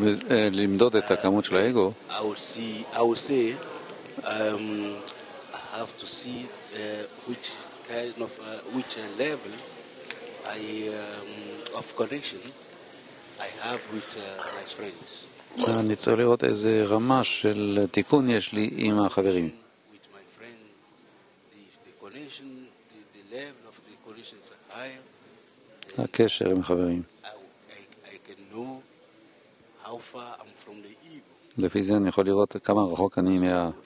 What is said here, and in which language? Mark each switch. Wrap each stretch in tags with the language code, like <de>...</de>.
<he>למדוד את הכמות של האגו</he> <en>I would say how have to see which kind of which level I of connection I have with my friends.</en> <he>אני צריך לראות איזה רמה של תיקון יש לי עם החברים.</he> <en>With my friends, if the connection, the level of the connection is higher.</en> <he>הקשר עם החברים.</he> <en>I can know how far I'm from the ego.</en> <he>לפי זה אני יכול לראות כמה רחוק אני מה.</he>